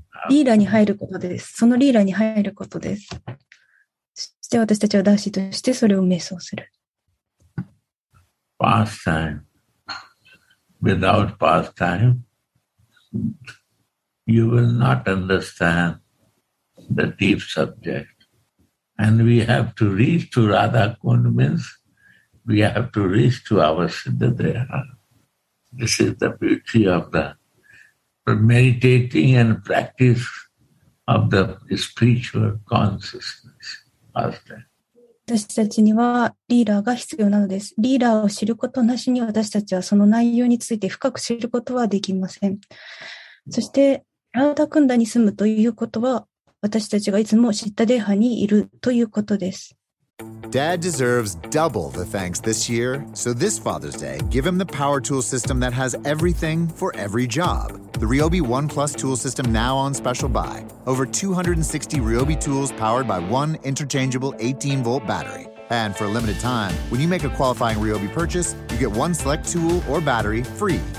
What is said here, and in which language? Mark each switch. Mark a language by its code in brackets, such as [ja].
[ja] リーラーに入ることです。そのリーラーに入ることです。そして私たちはダーシーとしてそれを瞑想する。 [en] Past time. Without past time, you will not understand the deep subject. And we have to reach to Radha Kund means we have to reach to our Siddhadeha. This is the beauty of the meditating and practice of the spiritual consciousness. Past [ja] time. 私たちにはリーダーが必要なのです。リーダーを知ることなしに私たちはその内容について深く知ることはできません。そしてラーダクンダに住むということは私たちがいつもシッタデーハにいるということです。 [en] Dad deserves double the thanks this year. So this Father's Day, give him the power tool system that has everything for every job. The Ryobi One Plus tool system now on special buy. Over 260 Ryobi tools powered by one interchangeable 18-volt battery. And for a limited time, when you make a qualifying Ryobi purchase, you get one select tool or battery free.